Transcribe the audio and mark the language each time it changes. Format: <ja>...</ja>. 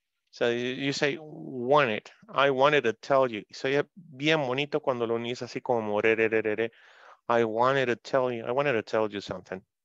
<en>So you say wanted, I wanted to tell you.</en> <es>So es bien bonito cuando lo unís así como re, re, re, re, re.</es> <en>I wanted to tell you, I wanted to tell you something.</en>